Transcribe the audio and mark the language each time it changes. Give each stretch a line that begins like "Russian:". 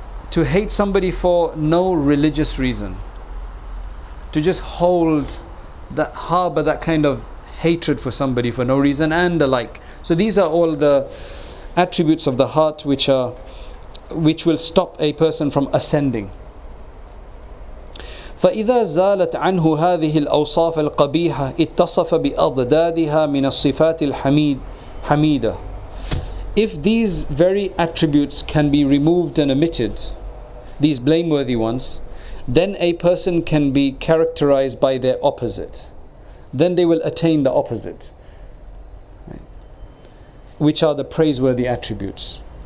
English: To hate somebody for no religious reason. To just harbor that kind of hatred for somebody for no reason and the like. So these are all the attributes of the heart which will stop a person from ascending.
Arabic: فإذا زالت عنه هذه الأوصاف القبيحة اتصف بأضدادها من الصفات الحميدة.
English: If these very attributes can be removed and omitted, these blameworthy ones, then a person can be characterized by their opposite. Then they will attain the opposite, right? Which are the praiseworthy attributes.